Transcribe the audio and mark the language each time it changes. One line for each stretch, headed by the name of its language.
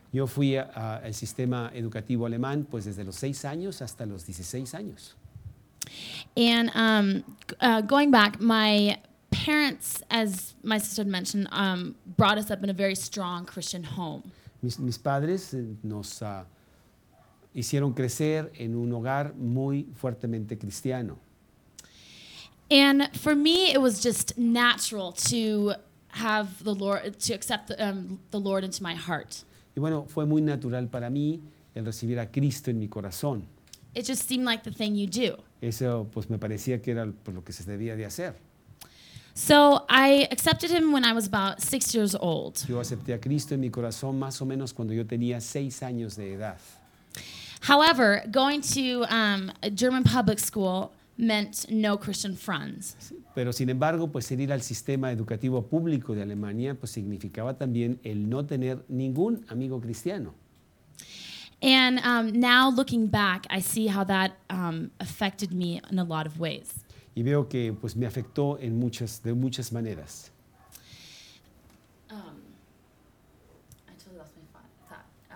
Spanish: Yo fui al sistema educativo alemán pues desde los 6 años hasta los 16 años.
English: And going back, my parents, as my sister had mentioned, brought us up in a very strong Christian home.
Spanish: Mis padres nos hicieron crecer en un hogar muy fuertemente cristiano.
English: And for me, it was just natural to have the Lord, to accept the Lord into my heart.
Spanish: Y bueno, fue muy natural para mí el recibir a Cristo en mi corazón.
English: It just seemed like the thing you do.
Spanish: Eso pues me parecía que era por lo que se debía de hacer.
English: So I accepted him when I was about 6 years old.
Spanish: Yo acepté a Cristo en mi corazón más o menos cuando yo tenía 6 años de edad.
English: However, going to a German public school meant no Christian friends.
Spanish: Pero sin embargo, pues el ir al sistema educativo público de Alemania pues significaba también el no tener ningún amigo cristiano.
English: And now looking back, I see how that affected me in a lot of ways.
Spanish: Y veo que pues me afectó en muchas maneras.
English: I totally lost my thought.